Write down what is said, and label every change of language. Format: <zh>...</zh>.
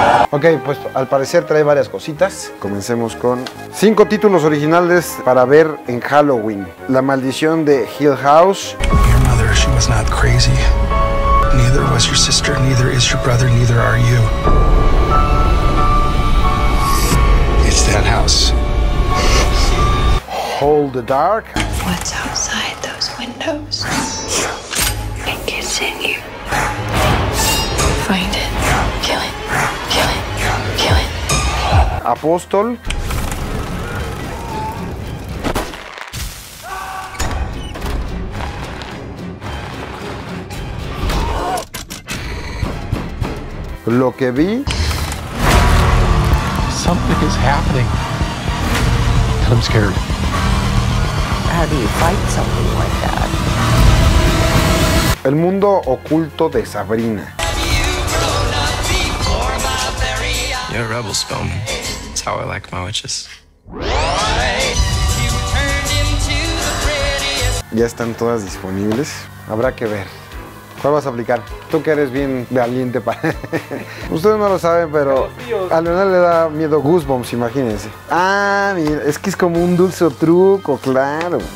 <es>Ok, pues al parecer trae varias cositas. Comencemos con 5 títulos originales para ver en Halloween. La maldición de Hill House.</es> <en>Your mother, she was not crazy. Neither was your sister, neither is your brother, neither are you. It's that house. Hold the dark. What's outside those windows? I can't send you. Find it. Kill it. Kill it. Kill it. Apostle.</en> <es>Lo que vi.</es> <en>Something is happening. I'm scared.</en> <es>El mundo oculto de Sabrina.</es> <en>You're a rebel, Spawn. That's how I like my witches.</en> <es>Ya están todas disponibles. Habrá que ver. ¿Cuál vas a aplicar? Tú que eres bien valiente para... Ustedes no lo saben, pero a Leonel le da miedo Goosebumps, imagínense. Ah, mira, es que es como un dulce truco, claro.</es>